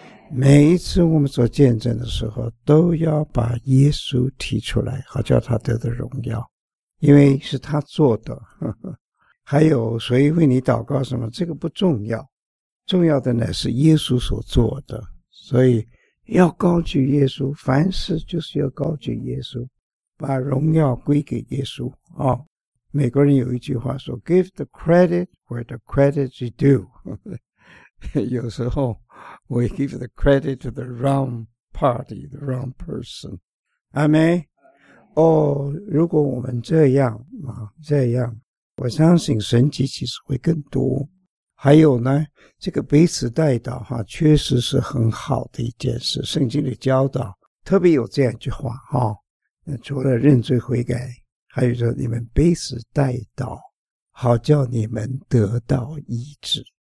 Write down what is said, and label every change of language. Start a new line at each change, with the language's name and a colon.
Chinese: 每一次我们做见证的时候，都要把耶稣提出来，好叫他得的荣耀，因为是他做的。还有谁为你祷告什么，这个不重要，重要的乃是耶稣所做的，所以要高举耶稣，凡事就是要高举耶稣，把荣耀归给耶稣啊、哦！美国人有一句话说
English: Give the credit where the credit is due
Chinese: 有时候
English: We give the credit to the wrong party, the wrong person。
Chinese: 阿们。哦，如果我们这样啊，这样我相信神迹其实会更多。还有呢，这个彼此代祷哈，确实是很好的一件事。圣经里教导，特别有这样一句话哈，除了认罪悔改，还有说你们彼此代祷，好叫你们得到医治。